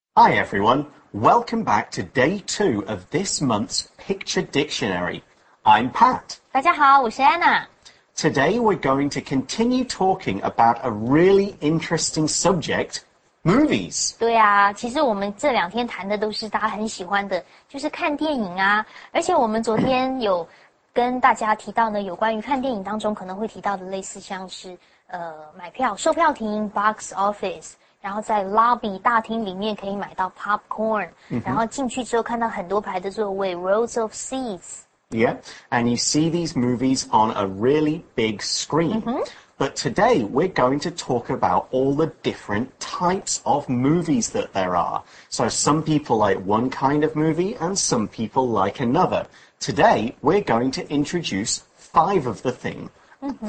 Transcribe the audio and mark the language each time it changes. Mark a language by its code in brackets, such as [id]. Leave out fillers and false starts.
[en] Hi everyone, welcome back to day two of this month's Picture Dictionary. I'm Pat. [zh] 大家好，我是 Anna. [en] Today we're going to continue talking about a really interesting subject, movies. [zh] 对啊，其实我们这两天谈的都是大家很喜欢的，就是看电影啊。而且我们昨天有跟大家提到呢，有关于看电影当中可能会提到的类似像是买票、售票亭、box office。然后在 lobby 大厅里面可以买到 popcorn,、mm-hmm. 然后进去之后看到很多排的座位 ,rows of seats. [en] Yeah, and you see these movies on a really big screen.、 Mm-hmm. But today, we're going to talk about all the different types of movies that there are. So some people like one kind of movie and some people like another. Today, we're going to introduce five of the thingMm-hmm.